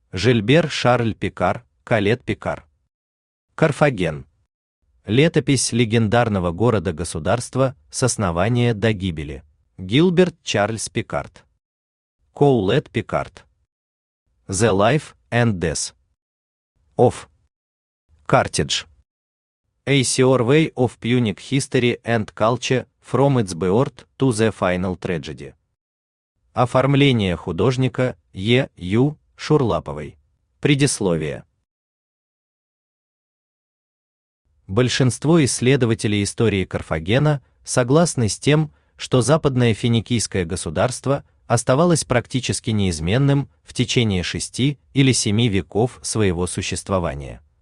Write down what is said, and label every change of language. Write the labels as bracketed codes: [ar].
[ru] Жильбер Шарль Пикар, Калет Пикар. Карфаген. Летопись легендарного города-государства с основания до гибели. Гилберт Чарльз Пикард. Коулет Пикард. [en] The Life and Death of Carthage. A Survey of Punic History and Culture from its birth to the final tragedy. [ru] Оформление художника Е. Ю. Шурлаповой. Предисловие. Большинство исследователей истории Карфагена согласны с тем, что западное финикийское государство оставалось практически неизменным в течение 6 или 7 веков своего существования.